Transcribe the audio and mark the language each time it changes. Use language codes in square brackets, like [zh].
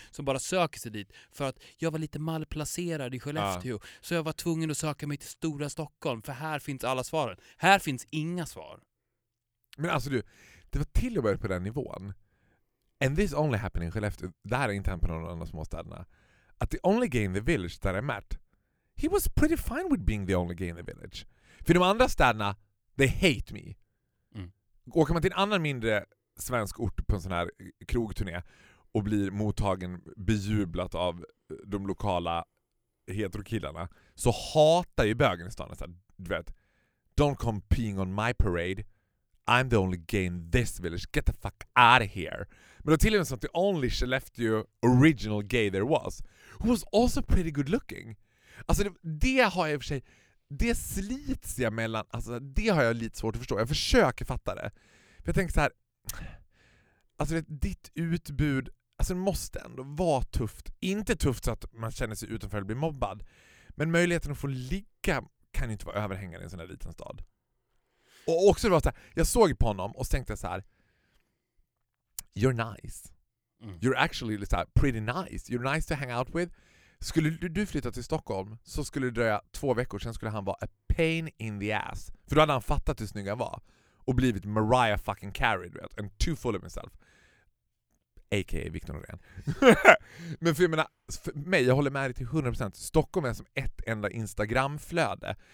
[sv] Som bara söker sig dit för att jag var lite malplacerad i Skellefteå. Ja. Så jag var tvungen att söka mig till stora Stockholm. För här finns alla svaren. Här finns inga svar. Men alltså du, det var till och med på den nivån. [en] And this only happened in Skellefteå. [sv] Det här är inte hänt på någon annan småstäderna. [en] At the only gay in the village that I met, he was pretty fine with being the only gay in the village. [sv] För de andra städerna, [en] they hate me. [sv] Mm. Åker man till en annan mindre svensk ort på en sån här krogturné och blir mottagen, bejublat av de lokala heterokillarna, så hatar ju bögen i stan. Så här, du vet, [en] don't come peeing on my parade. I'm the only gay in this village. Get the fuck out of here. [sv] Men då till och med sånt, [en] the only Skellefteå original gay there was, who was also pretty good looking. [sv] Alltså det har jag i och för sig, det slits jag mellan, alltså det har jag lite svårt att förstå. Jag försöker fatta det. För jag tänker så här, alltså vet, ditt utbud, alltså det måste ändå vara tufft. Inte tufft så att man känner sig utanför och blir mobbad. Men möjligheten att få ligga kan ju inte vara överhängande i en sån här liten stad. Och också var så här, jag såg på honom och tänkte så här, [en] you're nice. Mm. You're actually like pretty nice. You're nice to hang out with. [sv] Skulle du flytta till Stockholm så skulle det dröja 2 veckor, sen skulle han vara [en] a pain in the ass. [sv] För då hade han fattat hur snygg han var och blivit Mariah fucking Carey, du vet, [en] and too full of himself. [sv] A.K.A. Victor Norén. Men för, jag menar, för mig, jag håller med dig till 100%. Stockholm är som ett enda Instagramflöde.